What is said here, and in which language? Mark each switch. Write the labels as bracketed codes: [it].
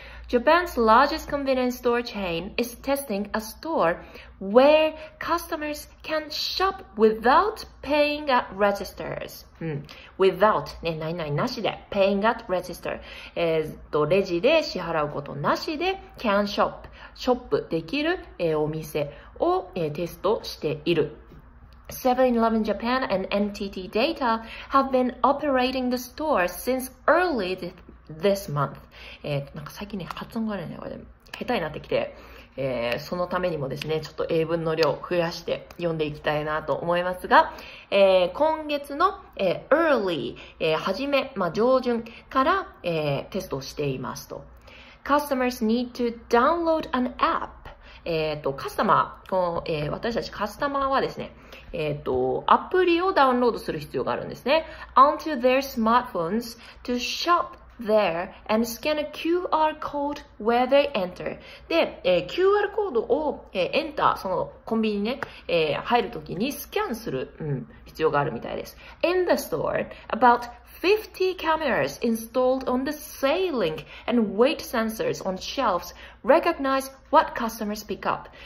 [en] Japan's largest convenience store chain is testing a store where customers can shop without paying at registers. Without [ja] ね、何々なしで、 [en] paying at register。 [ja] レジで支払うことなしで、 [en] can shop、 [ja] ショップできる、お店を、テストしている。 [en] 7-Eleven Japan and NTT Data have been operating the store since early this month. [ja] なんか最近ね、発音がね、下手になってきて、そのためにもですね、ちょっと英文の量を増やして読んでいきたいなと思いますが、今月の、early、初め、まあ、上旬から、テストをしていますと。 [en] Customers need to download an app. [ja] カスタマー、私たちカスタマーはですね、アプリをダウンロードする必要があるんですね。 [en] Onto their smartphones to shop there and scan a QR code where they enter. [ja] で、QR コードを、Enter、そのコンビニね、入るときにスキャンする、必要があるみたいです。 [en] In the store, about 50 cameras installed on the ceiling and weight sensors on shelves recognize what customers pick up.